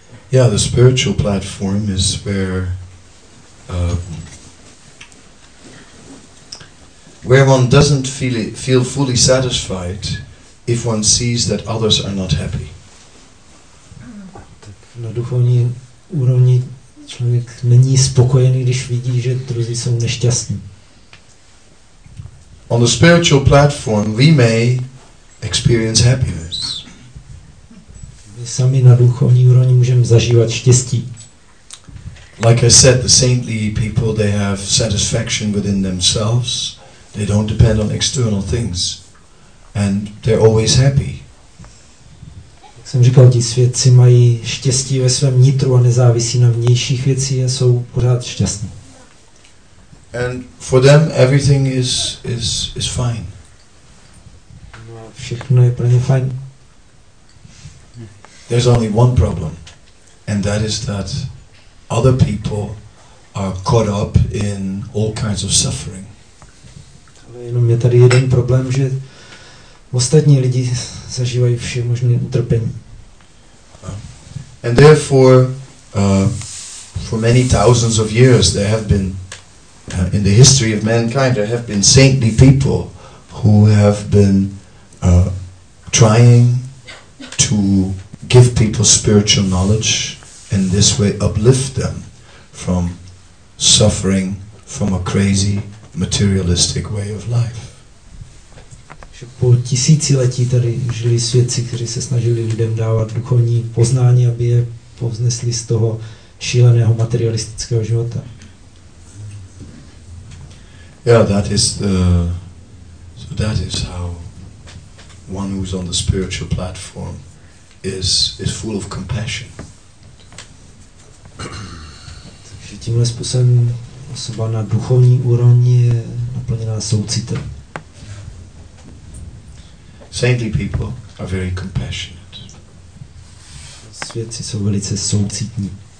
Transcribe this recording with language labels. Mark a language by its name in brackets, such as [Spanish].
[English] Yeah, the spiritual platform is where one doesn't feel fully satisfied if one sees that others are not happy. [Czech] Na duchovní úrovni člověk není spokojený, když vidí, že druzí jsou nešťastní. [English] On the spiritual platform we may experience happiness. [Czech] My sami na duchovní úrovni můžeme zažívat štěstí. [English] Like I said, the saintly people, they have satisfaction within themselves. They don't depend on external things. And they're always happy. [Czech] Jak jsem říkal, ti svědci mají štěstí ve svém nitru a nezávisí na vnějších věcí a jsou pořád šťastní. [English] And for them everything is fine. [Czech] No a všechno je pro ně fajn. [English] There's only one problem, and that is that other people are caught up in all kinds of suffering. [Czech] Ale jenom je tady jeden problém, že ostatní lidi zažívají vše možné utrpení. [English] And therefore, for many thousands of years, there have been, in the history of mankind, there have been saintly people who have been trying to give people spiritual knowledge and this way uplift them from suffering from a crazy materialistic way of life. [Czech] Že po tisíciletí tady žili svědci, kteří se snažili lidem dávat duchovní poznání, aby je povznesli z toho šíleného materialistického života. [English] Yeah, that is the, so that is how one who's on the spiritual platform is full of compassion. [Czech] Takže tímhle způsobem osoba na duchovní úrovni je naplněná soucitem. [English] Saintly people are very compassionate. [Czech] Světci jsou velice soucitní.